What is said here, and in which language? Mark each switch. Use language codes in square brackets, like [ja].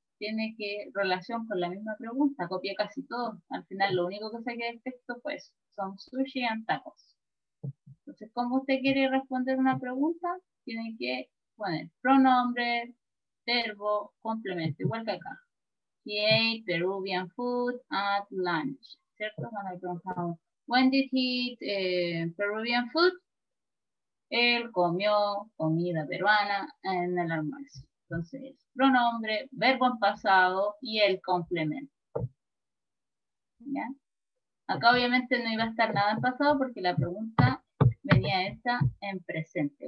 [es] Tiene que relación con la misma pregunta, copia casi todo. Al final, lo único que se queda del texto pues, son sushi y tacos. Entonces, como usted quiere responder una pregunta, tiene que poner pronombre, verbo, complemento, igual que acá. [en] He ate Peruvian food at lunch. [es] ¿Cierto? Cuando le preguntamos, [en] when did he eat Peruvian food? [es] Él comió comida peruana en el almuerzo. Entonces, pronombre, verbo en pasado y el complemento. ¿Ya? Acá obviamente no iba a estar nada en pasado porque la pregunta venía esta en presente.